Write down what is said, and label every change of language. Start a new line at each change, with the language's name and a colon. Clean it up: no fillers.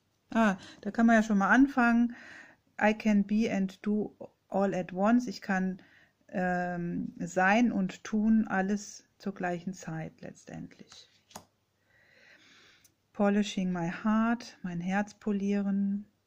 German: Ah, da kann man ja schon mal anfangen.
English: I can be and do all at once.
German: Ich kann sein und tun alles zur gleichen Zeit letztendlich.
English: Polishing my heart,
German: mein Herz polieren.